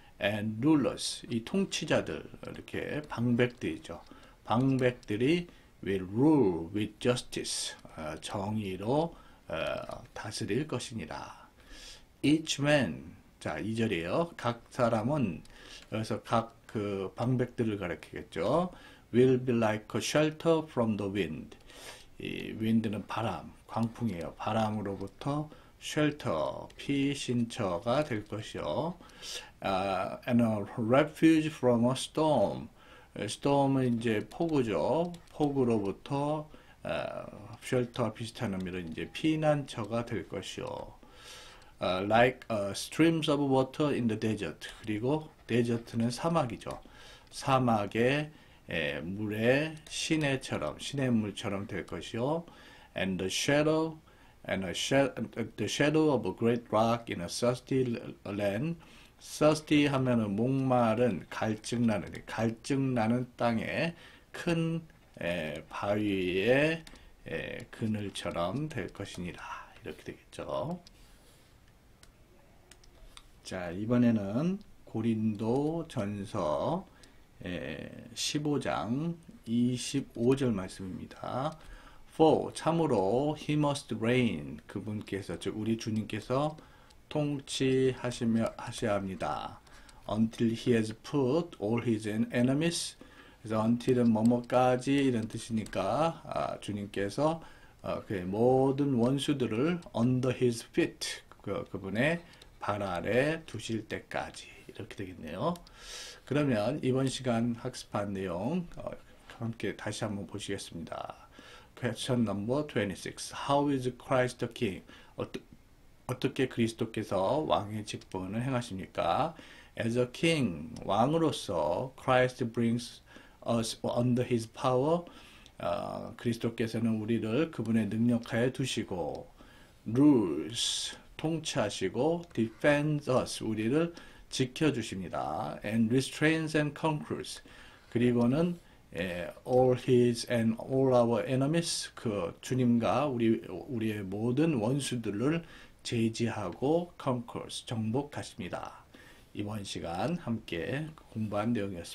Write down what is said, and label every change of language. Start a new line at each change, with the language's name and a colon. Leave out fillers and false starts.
English: And rulers,
Korean: 이 통치자들, 이렇게 방백들이죠. 방백들이
English: will rule with justice,
Korean: 정의로 다스릴 것이니라.
English: Each man,
Korean: 자, 2절이에요. 각 사람은, 여기서 각그 방백들을 가리키겠죠.
English: will be like a shelter from the wind.
Korean: 이 wind는 바람, 광풍이에요. 바람으로부터 쉘터, 피신처가 될 것이요.
English: And a refuge from a storm.
Korean: Storm은 이제 폭우죠. 폭우로부터 쉘터와 비슷한 의미로 이제 피난처가 될 것이요.
English: Like streams of water in the desert.
Korean: 그리고 데저트는 사막이죠. 사막의 물의 시냇처럼, 시냇물처럼 될 것이요.
English: And the shadow And a shadow, the shadow of a great rock in a thirsty land.
Korean: Thirsty 하면은 목마른, 갈증나는 땅에 큰 바위의 그늘처럼 될 것이니라. 이렇게 되겠죠. 자, 이번에는 고린도 전서 15장 25절 말씀입니다.
English: For,
Korean: 참으로,
English: he must reign.
Korean: 그분께서, 즉, 우리 주님께서 하셔야 합니다.
English: Until he has put all his enemies.
Korean: 그래서, until은 뭐뭐까지 이런 뜻이니까, 주님께서 그의 모든 원수들을
English: under his feet.
Korean: 그분의 발 아래 두실 때까지. 이렇게 되겠네요. 그러면, 이번 시간 학습한 내용, 함께 다시 한번 보시겠습니다.
English: Question number 26. How is Christ the King?
Korean: 어떻게 그리스도께서 왕의 직분을 행하십니까?
English: As a king,
Korean: 왕으로서
English: Christ brings us under his power.
Korean: 그리스도께서는 우리를 그분의 능력하에 두시고,
English: rules,
Korean: 통치하시고,
English: defends us,
Korean: 우리를 지켜주십니다.
English: And restrains and conquers.
Korean: 그리고는
English: all his and all our enemies,
Korean: 그 주님과 우리의 모든 원수들을 제지하고 conquers, 정복하십니다. 이번 시간 함께 공부한 내용이었습니다.